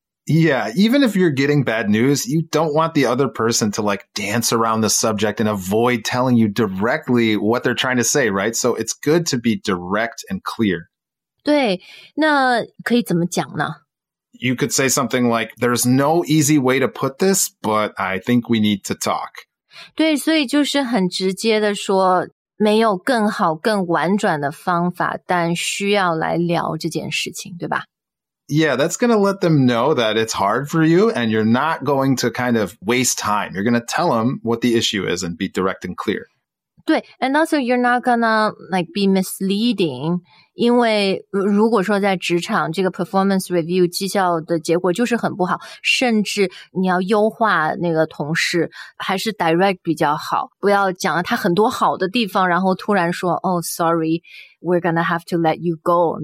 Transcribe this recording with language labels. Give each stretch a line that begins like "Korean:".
English: Yeah, even if you're getting bad news, you don't want the other person to like dance around the subject and avoid telling you directly what they're trying to say, right? So it's good to be direct and clear.
Chinese: 对，那可以怎么讲呢？
English: You could say something like, there's no easy way to put this, but I think we need to talk.
Chinese: 对，所以就是很直接的说，没有更好更婉转的方法，但需要来聊这件事情，对吧？
English: Yeah, that's going to let them know that it's hard for you and you're not going to kind of waste time. You're going to tell them what the issue is and be direct and clear. 对, and also you're not going to like be misleading.
Chinese: 因为如果说在职场这个 performance review 绩效的结果就是很不好，甚至你要优化那个同事还是 direct 比较好，不要讲了他很多好的地方然后突然说
English: oh, sorry, we're going to have to let you go.